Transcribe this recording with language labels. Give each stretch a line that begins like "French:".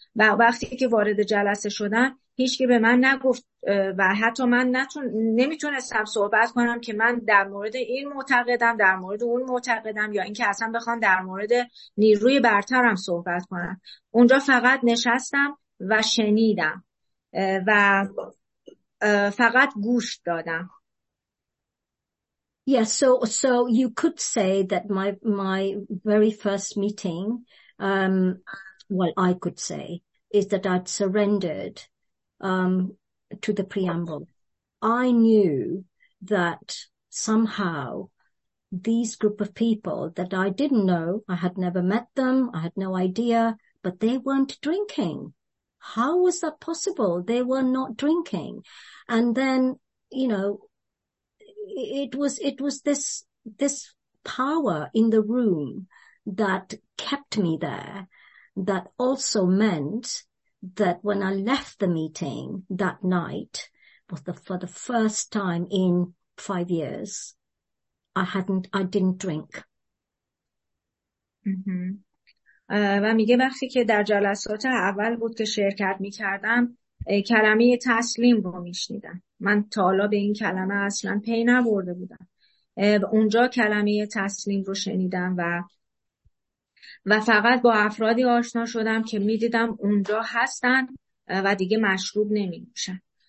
Persian: و وقتی که وارد جلسه شدم هیچکی به من نگفت و حتی من نمیتونستم صحبت کنم که من در مورد این معتقدم، در مورد اون معتقدم، یا اینکه اصلا بخوام در مورد نیروی برترم صحبت کنم. اونجا فقط نشستم و شنیدم و فقط گوش دادم.
English: Yes, so you could say that my very first meeting, well, I could say, is that I'd surrendered to the preamble. I knew that somehow these group of people that I didn't know, I had never met them, I had no idea, but they weren't drinking. How was that possible? They were not drinking. And then, you know, it was this power in the room that kept me there, that also meant that when I left the meeting that night, was for the first time in 5 years, I didn't drink.
Persian: و میگه وقتی که در جلسات اول بود که شرکت میکردم کلمه تسلیم رو میشنیدم. من تا حالا به این کلمه اصلا پی نبرده بودم. اونجا کلمه تسلیم رو شنیدم و فقط با افرادی آشنا شدم که میدیدم اونجا هستن و دیگه مشروب نمیشن.